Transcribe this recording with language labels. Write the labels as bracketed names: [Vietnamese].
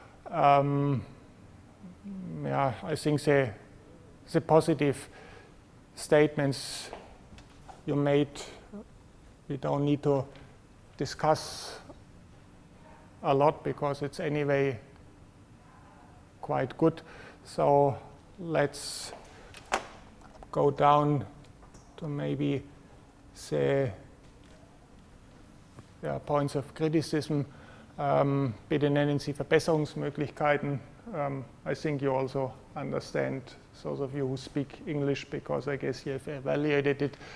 [English] I think the positive statements you made, we don't need to discuss a lot because it's anyway quite good. So let's go down to maybe say points of criticism, [German] bitte nennen Sie Verbesserungsmöglichkeiten. [English] I think you also understand, those of you who speak English, because I guess you have evaluated it.